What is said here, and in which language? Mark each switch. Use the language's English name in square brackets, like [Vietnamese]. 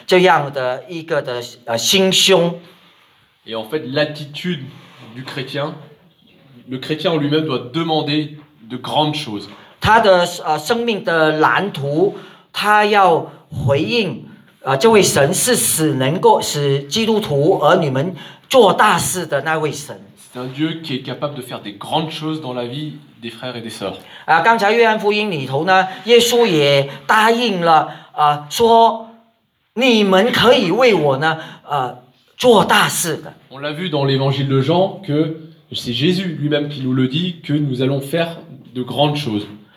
[Chinese] 他说呢，基督徒的生命是不断的向神呢求大事的这样的一个的心胸。 [French] Et en fait, l'attitude du chrétien, le chrétien lui-même doit demander de grandes choses. [Chinese] 他的生命的蓝图，他要回应这位神是使能够使基督徒儿女们做大事的那位神。 [French] C'est un Dieu qui est capable de faire des grandes choses dans la vie des frères et des sœurs. [Chinese] 刚才约翰福音里头呢，耶稣也答应了，说你们可以为我呢，做大事的。 [French] On l'a vu dans l'évangile de Jean que c'est Jésus lui-même qui nous le dit que nous allons faire de grandes choses.